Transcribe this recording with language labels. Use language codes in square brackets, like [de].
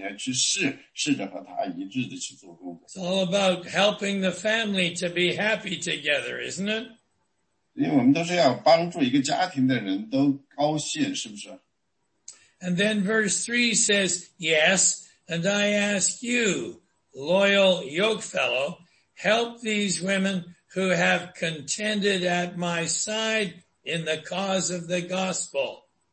[zh] 所以呢，要放弃你自己的那种方式，尝试着去跟人家达成一致。这样的话呢，你如果你不能达成一致，你就起码你要去试着和他一致的去做工作。 [en] It's all about helping the family to be happy together, isn't it? [zh] 因为我们都是要帮助一个家庭的人都高兴，是不是？ [en] And then verse 3 says, yes, and I ask you, loyal yoke fellow, help these women who have contended at my side in the cause of the gospel.